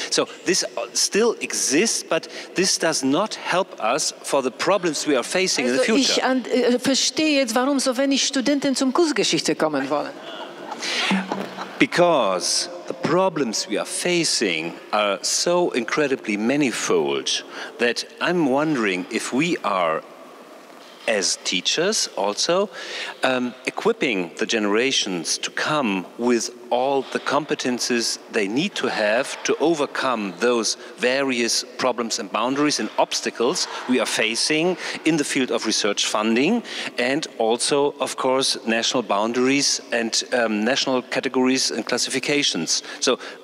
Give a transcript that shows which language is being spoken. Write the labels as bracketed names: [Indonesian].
[English] So this still exists, but this does not help us for the problems we are facing also in the future. [German] Ich verstehe jetzt, warum so wenig Studenten zum Kunstgeschichte kommen wollen. [English] Because the problems we are facing are so incredibly manifold that I'm wondering if we are, as teachers also, equipping the generations to come with all the competences they need to have to overcome those various problems and boundaries and obstacles we are facing in the field of research funding and also, of course, national boundaries and national categories and classifications. So